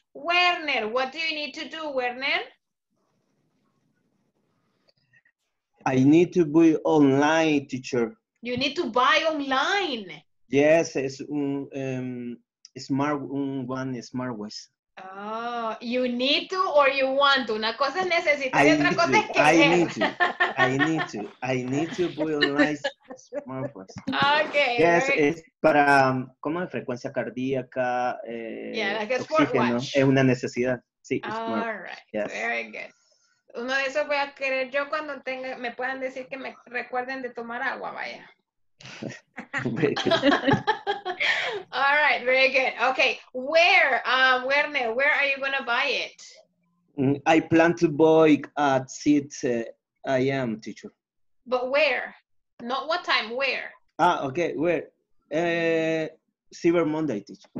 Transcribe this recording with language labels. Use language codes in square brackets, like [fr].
[en] Werner, what do you need to do, Werner? I need to buy online, teacher. You need to buy online. Yes, it's smart one. Oh, you need to or you want to? [es] Una cosa es necesitar y otra cosa es querer. [en] I need to buy online smartwatch. Okay. Yes, [es] es para como frecuencia cardíaca. [en] Yeah, like a smartwatch. [es] Es una necesidad. Sí. [en] All right. Yes. Very good. [es] Uno de esos voy a querer yo cuando tenga, me puedan decir que me recuerden de tomar agua, vaya. [en] All right, very good. Okay, where, Werner, where are you going to buy it? I plan to buy at 6 a.m., teacher. But where? Not what time, where? Ah, okay, where? Cyber Monday, teacher.